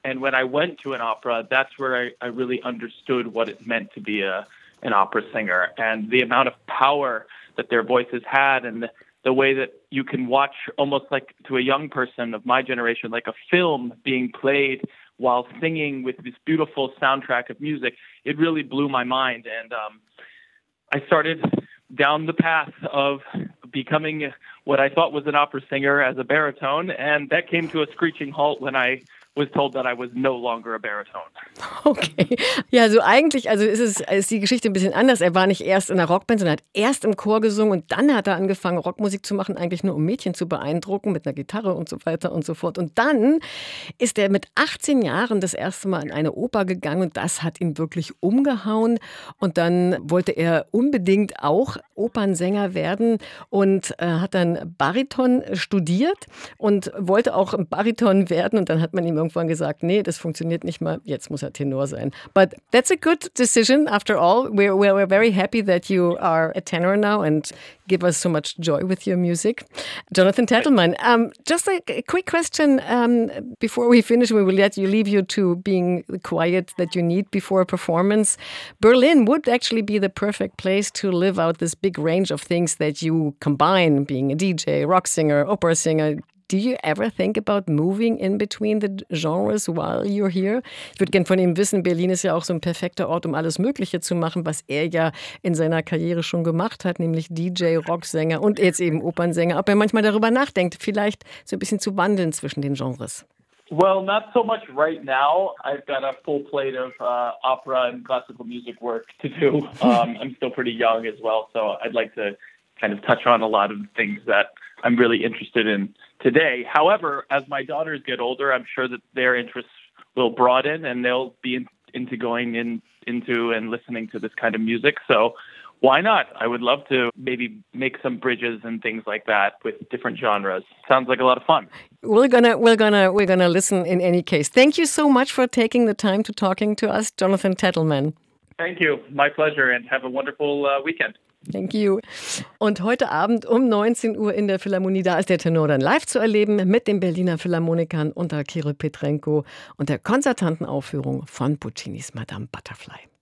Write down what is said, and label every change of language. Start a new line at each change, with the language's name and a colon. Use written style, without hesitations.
English: And when I went to an opera, that's where I really understood what it meant to be an opera singer, and the amount of power that their voices had, and the way that you can watch, almost like to a young person of my generation, like a film being played while singing with this beautiful soundtrack of music. It really blew my mind. And I started down the path of becoming what I thought was an opera singer as a baritone. And that came to a screeching halt when I was told that I was no longer a baritone. Okay.
German: Ja, so eigentlich, also ist die Geschichte ein bisschen anders. Er war nicht erst in einer Rockband, sondern hat erst im Chor gesungen und dann hat er angefangen, Rockmusik zu machen, eigentlich nur um Mädchen zu beeindrucken, mit einer Gitarre und so weiter und so fort. Und dann ist er mit 18 Jahren das erste Mal in eine Oper gegangen und das hat ihn wirklich umgehauen. Und dann wollte er unbedingt auch Opernsänger werden und hat dann Bariton studiert und wollte auch Bariton werden. Und dann hat man ihm irgendwann gesagt, nee, das funktioniert nicht mal, jetzt muss er Tenor sein.
English: But that's a good decision after all. We're very happy that you are a tenor now and give us so much joy with your music. Jonathan Tettelmann, just a quick question before we finish. We will let you leave you to being quiet that you need before a performance. Berlin would actually be the perfect place to live out this big range of things that you combine, being a DJ, rock singer, opera singer. Do you ever think about moving in between the genres while you're here?
German: Ich würde gerne von ihm wissen, Berlin ist ja auch so ein perfekter Ort, um alles Mögliche zu machen, was er ja in seiner Karriere schon gemacht hat, nämlich DJ, Rocksänger und jetzt eben Opernsänger. Ob er manchmal darüber nachdenkt, vielleicht so ein bisschen zu wandeln zwischen den Genres.
English: Well, not so much right now. I've got a full plate of opera and classical music work to do. I'm still pretty young as well, so I'd like to kind of touch on a lot of things that I'm really interested in today. However, as my daughters get older, I'm sure that their interests will broaden and they'll be into going into and listening to this kind of music. So why not? I would love to maybe make some bridges and things like that with different genres. Sounds like a lot of fun. We're gonna listen in any case. Thank you so much for taking the time to talking to us, Jonathan Tettelmann. Thank you. My pleasure and have a wonderful weekend. Thank you.
German: Und heute Abend um 19 Uhr in der Philharmonie, da ist der Tenor dann live zu erleben mit den Berliner Philharmonikern unter Kirill Petrenko und der Konzertantenaufführung von Puccinis Madame Butterfly.